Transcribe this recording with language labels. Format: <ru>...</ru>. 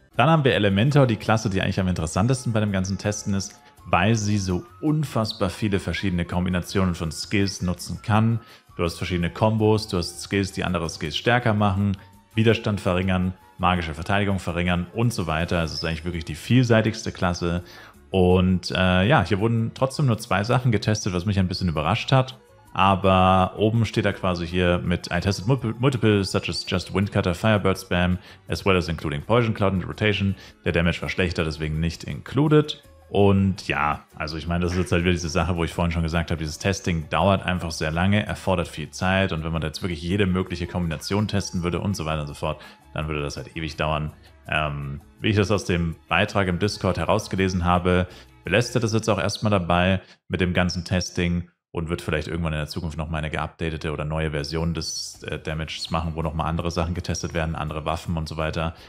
<de>Dann haben wir Elementor, die Klasse, die eigentlich am interessantesten bei dem ganzen Testen ist, weil sie so unfassbar viele verschiedene Kombinationen von Skills nutzen kann. Du hast verschiedene Kombos, du hast Skills, die andere Skills stärker machen, Widerstand verringern, magische Verteidigung verringern und so weiter. Es ist eigentlich wirklich die vielseitigste Klasse. Und ja, hier wurden trotzdem nur zwei Sachen getestet, was mich ein bisschen überrascht hat. Aber oben steht da quasi hier mit</de> <en>I tested multiple such as just Windcutter, Firebird Spam, as well as including Poison Cloud and Rotation.</en> <de>Der Damage war schlechter, deswegen nicht included. Und ja, also ich meine, das ist jetzt halt wieder diese Sache, wo ich vorhin schon gesagt habe, dieses Testing dauert einfach sehr lange, erfordert viel Zeit und wenn man jetzt wirklich jede mögliche Kombination testen würde und so weiter und so fort, dann würde das halt ewig dauern. Wie ich das aus dem Beitrag im Discord herausgelesen habe, belässt er das jetzt auch erstmal dabei mit dem ganzen Testing und wird vielleicht irgendwann in der Zukunft nochmal eine geupdatete oder neue Version des Damages machen, wo nochmal andere Sachen getestet werden, andere Waffen und so weiter.</de>